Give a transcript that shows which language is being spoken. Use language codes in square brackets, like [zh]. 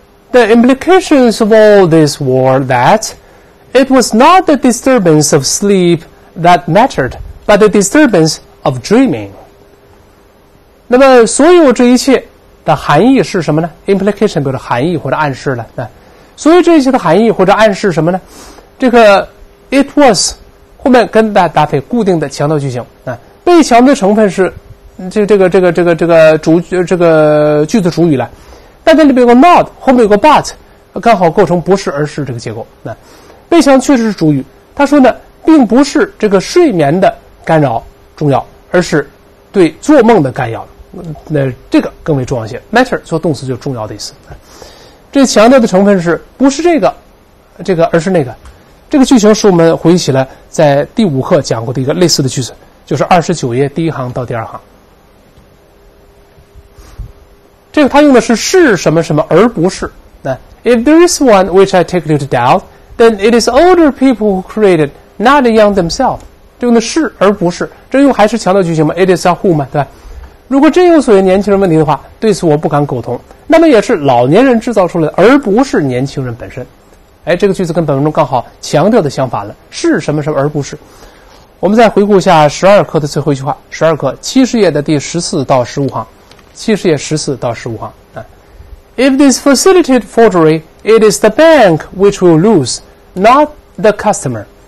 [en] The implications of all this were that it was not the disturbance of sleep that mattered but the disturbance of dreaming。 [zh] 那么所有这一切的含义是什么呢？implication 表示含义或者暗示了、啊，所以这些的含义或者暗示什么呢？这个 it was 后面跟 that 搭配固定的强调句型、啊、被强调的成分是这个句子主语了，但在里面有个 not， 后面有个 but， 刚好构成不是而是这个结构、啊、被强确实是主语，他说呢并不是这个睡眠的干扰重要，而是对做梦的干扰、那这个更为重要一些。 matter 做动词就重要的意思、啊，这强调的成分是不是这个而是那个。这个句型使我们回忆起来在第五课讲过的一个类似的句子，就是29页第一行到第二行。这个他用的是什么什么而不是。 [en] If there is one which I take you to doubt, then it is older people who created, not the young themselves. [zh] 这用的是而不是。这用还是强调句型吗？ [en] It is a who [zh] 吗？对吧？如果真有所谓年轻人问题的话，对此我不敢苟同，那么也是老年人制造出来的，而不是年轻人本身。哎，这个句子跟本文中刚好强调的相反了，是什么什么而不是。我们再回顾一下12课的最后一句话，12课70页的第14到15行，70页14到15行、啊、 [en] If this facilitated forgery, it is the bank which will lose, not the customer.